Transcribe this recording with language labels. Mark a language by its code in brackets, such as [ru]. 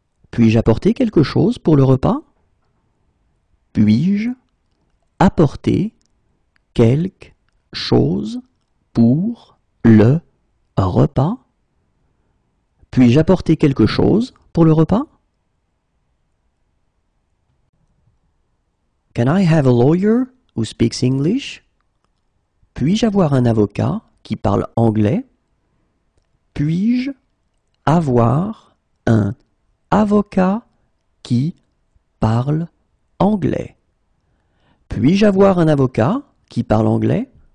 [fr] Puis-je apporter quelque chose pour le repas? Puis-je apporter quelque chose pour le repas? Puis-je apporter quelque chose pour le repas? [en] Can I have a lawyer who speaks English? [fr] Puis-je avoir un avocat qui parle anglais? Puis-je avoir un avocat qui parle anglais? Puis-je avoir un avocat qui parle anglais?